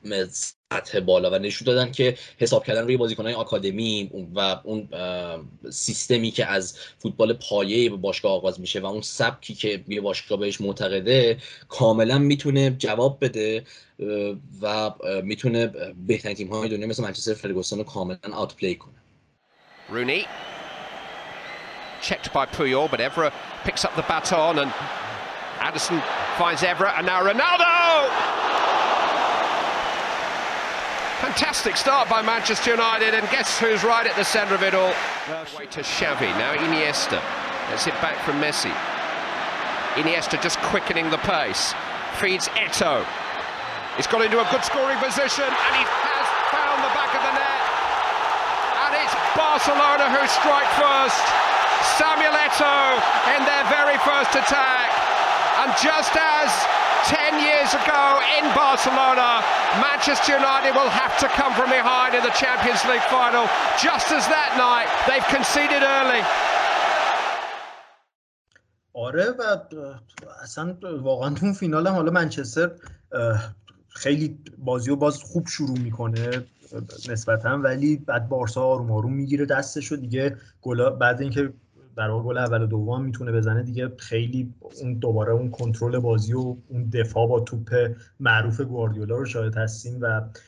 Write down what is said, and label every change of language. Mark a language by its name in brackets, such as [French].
[Persian] سطح بالا و نشون دادن که حساب کردن روی بازیکنهای آکادمی و اون سیستمی که از فوتبال پایه به باشگاه آغاز میشه و اون سبکی که یه باشگاه بهش معتقده کاملا میتونه جواب بده و میتونه بهترین تیم‌های دنیا مثل منچستر فرگوسن رو کاملا آوت پلی کنه. [English] Rooney checked by Puyol but Evra picks up the baton and Anderson finds Evra and now Ronaldo. Fantastic start by Manchester United, and guess who's right at the center of it all? Way to Xavi, now Iniesta. Let's hit back from Messi. Iniesta just quickening the pace. Feeds Eto. He's got into a good scoring position, and he has found the back of the net. And it's Barcelona who strike first. Samuel Eto in their very first attack. And just as 10 years ago in Barcelona, Manchester United will have to come from behind in the Champions League final. Just as that night, they've conceded early. [Persian] آره و اصلا واقعا تو فینال هم حالا منچستر خیلی بازی رو باز خوب شروع میکنه نسبتا، ولی بعد بارسا آروم آروم میگیره دستش رو دیگه، گل بعد اینکه برای گل اول و دوم میتونه بزنه دیگه، خیلی اون دوباره اون کنترل بازی و اون دفاع با توپ معروف گواردیولا رو شاهد هستیم و